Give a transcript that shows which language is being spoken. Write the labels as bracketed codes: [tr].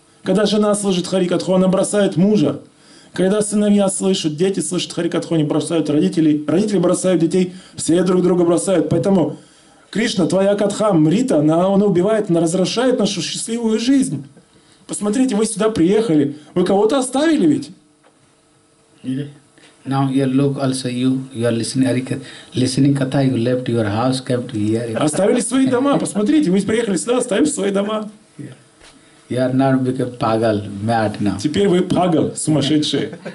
[ru] Когда жена слышит харикатху, она бросает мужа. Когда сыновья слышат, дети слышат харикатху, они бросают родителей. Родители бросают детей, все друг друга бросают. Поэтому Кришна, твоя катха, мрита, она убивает, она разрушает нашу счастливую жизнь. Посмотрите, вы сюда приехали, вы кого-то оставили ведь? [en] Now you look also you are listening katha, you left your house, kept here. [ru] Оставили свои дома, посмотрите, вы приехали сюда, оставим свои дома. [en] You are now become pagal, mad now. [ru] Теперь вы пагал, сумасшедший.